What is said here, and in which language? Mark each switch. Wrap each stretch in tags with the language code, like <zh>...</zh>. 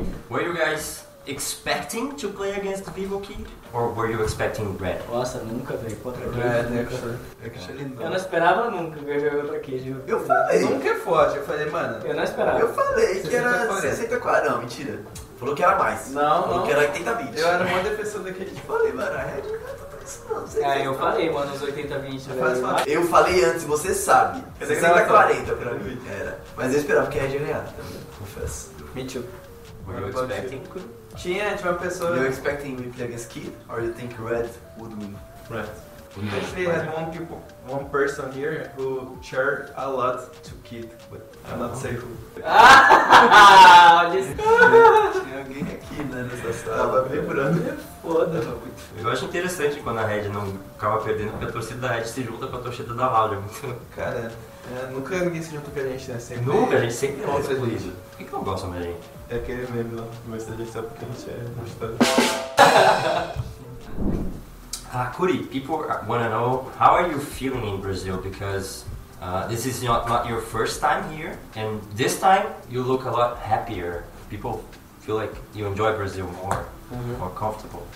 <en>Were you guys expecting to play against Vivo Kid? Or were you expecting Red?</en> <pt>Nossa, nunca veio contra Red. Red, eu não esperava nunca ver jogar contra Kid. Eu falei. Nunca é forte. Eu falei, mano. Eu não esperava. Eu falei que era 64. Não, mentira. Falou que era mais. Não. Que era 80-20. Eu era uma defensora daquele tipo. Falei, mano, a Red. Eu falei, mano, os 80-20. Eu falei antes, você sabe. 60-40 pra mim. Era. Mas eu esperava que a Red ia ganhar também. Confesso.</pt> <en>Me too. Were you expecting?</en> <pt>Tinha uma pessoa.</pt> <en>You expecting me play against Kid? Or you think Red would win? Red. Actually, has one person here who cheered a lot to Kid, but cannot say who.</en> <pt>Tinha alguém aqui, né, nessa sala. Tava vibrando. Foda, mano. Eu acho interessante quando a Red não acaba perdendo, porque a torcida da Red se junta com a torcida da Loud. Cara, nunca ninguém se junta com a gente, né? Sempre. Nunca, a gente sempre gosta com isso. Por que não gosta mais gente? É aquele meme lá, mas a gente sabe porque a gente é gostoso.</pt> <en>Kuri, people want to know, how are you feeling in Brazil? Because this is not your first time here, and this time you look a lot happier. People feel like you enjoy Brazil more, more comfortable.</en>